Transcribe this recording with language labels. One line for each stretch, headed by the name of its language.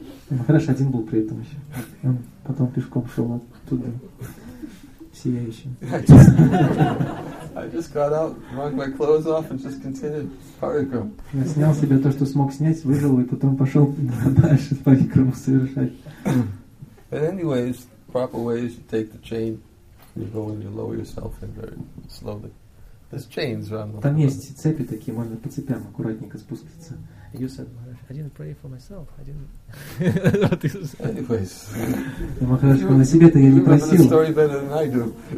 Russian: Махараш один был при этом еще. Он потом пешком шел оттуда. Сияющим.
English: I just got out, wrung my clothes off and just continued парикрам.
Russian: Я снял себе то, что смог снять, выжил и потом пошел дальше парикраму совершать.
English: But anyways, proper ways, you take the chain, you go and you lower yourself in very slowly. There's chains around the
Russian: Там есть цепи такие, можно по цепям аккуратненько спуститься.
English: You said, Maharaj, I didn't pray for myself. I didn't. Anyways.
Russian: Maharaj, на себе-то я не просил.
English: You know the story better than I do.